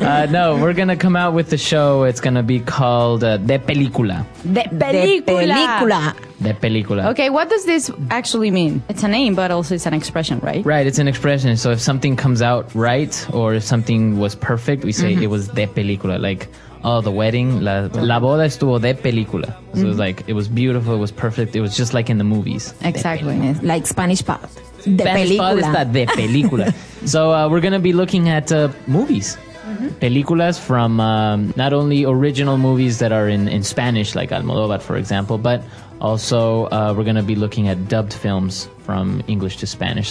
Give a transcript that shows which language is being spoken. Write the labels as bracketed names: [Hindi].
[English] No, we're going to come out with the show. It's going to be called De Película. [Spanish] De Película. De Película. De Película. [English] Okay, what does this actually mean? It's a name, but also it's an expression, right? Right, it's an expression. So if something comes out right or if something was perfect, we say it was De Película. Like, oh, the wedding, [Spanish] la boda estuvo de película. [English] So it was like, it was beautiful, it was perfect. It was just like in the movies. Exactly. Like Spanish part. [Spanish] De película. [English] So we're going to be looking at movies. Mm-hmm. Películas from not only original movies that are in Spanish, like Almodóvar, for example, but also we're going to be looking at dubbed films from English to Spanish.